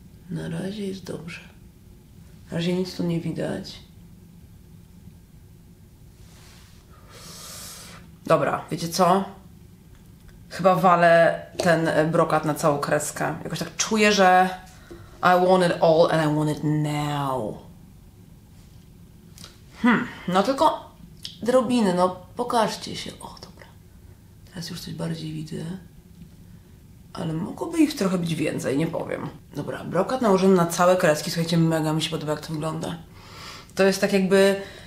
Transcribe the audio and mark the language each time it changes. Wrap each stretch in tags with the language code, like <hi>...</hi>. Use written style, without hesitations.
<pl>Na razie jest dobrze. Na razie nic tu nie widać. Dobra, wiecie co? Chyba walę ten brokat na całą kreskę. Jakoś tak czuję, że</pl> <en>I want it all and I want it now.</en> <pl>No tylko drobiny, no pokażcie się. O, dobra. Teraz już coś bardziej widzę. Ale mogłoby ich trochę być więcej, nie powiem. Dobra, brokat nałożony na całe kreski. Słuchajcie, mega mi się podoba, jak to wygląda. To jest tak jakby...</pl>